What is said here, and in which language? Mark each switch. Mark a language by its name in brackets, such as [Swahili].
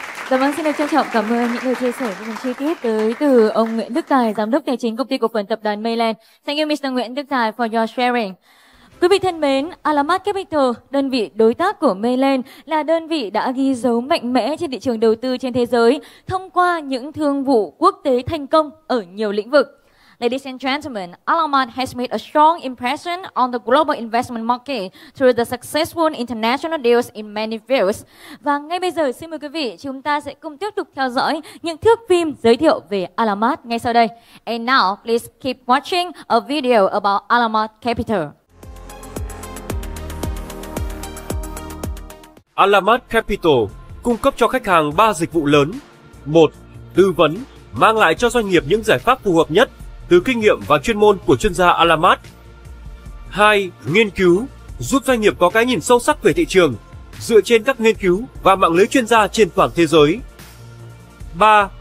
[Vietnamese] Dạ vâng, xin được trân trọng cảm ơn những lời chia sẻ với những chi tiết tới từ ông Nguyễn Đức Tài, giám đốc tài chính công ty cổ phần tập đoàn Mayland. [English] Thank you Mr. Nguyễn Đức Tài for your sharing. [Vietnamese] Quý vị thân mến, Alamat Capital, đơn vị đối tác của Mayland, là đơn vị đã ghi dấu mạnh mẽ trên thị trường đầu tư trên thế giới thông qua những thương vụ quốc tế thành công ở nhiều lĩnh vực. [English] Ladies and gentlemen, Alamat has made a strong impression on the global investment market through the successful international deals in many fields. [Vietnamese] Và ngay bây giờ xin mời quý vị, chúng ta sẽ cùng tiếp tục theo dõi những thước phim giới thiệu về Alamat ngay sau đây. [English] And now, please keep watching a video about Alamat Capital. [Vietnamese] Alamat Capital cung cấp cho khách hàng 3 dịch vụ lớn. 1. Tư vấn, mang lại cho doanh nghiệp những giải pháp phù hợp nhất từ kinh nghiệm và chuyên môn của chuyên gia Alamat. 2. Nghiên cứu, giúp doanh nghiệp có cái nhìn sâu sắc về thị trường dựa trên các nghiên cứu và mạng lưới chuyên gia trên toàn thế giới. 3.